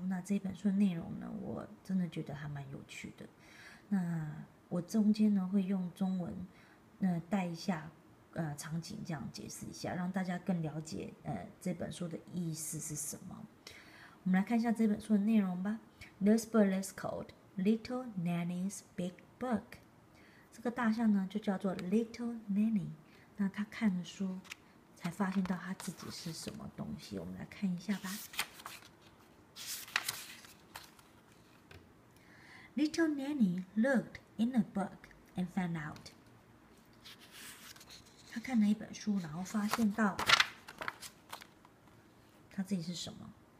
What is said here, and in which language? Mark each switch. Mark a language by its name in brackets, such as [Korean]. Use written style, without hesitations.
[Chinese] 那这本书的内容呢，我真的觉得还蛮有趣的。那我中间呢会用中文，带一下，场景这样解释一下，让大家更了解这本书的意思是什么。我们来看一下这本书的内容吧。 [English] This book is called Little Nanny's Big Book。 [Chinese] 这个大象呢就叫做 Little Nanny。那他看了书，才发现到他自己是什么东西，我们来看一下吧。 [English] Little Nanny looked in a book and found out。 [Chinese] 他看了一本书，然后发现到他自己是什么。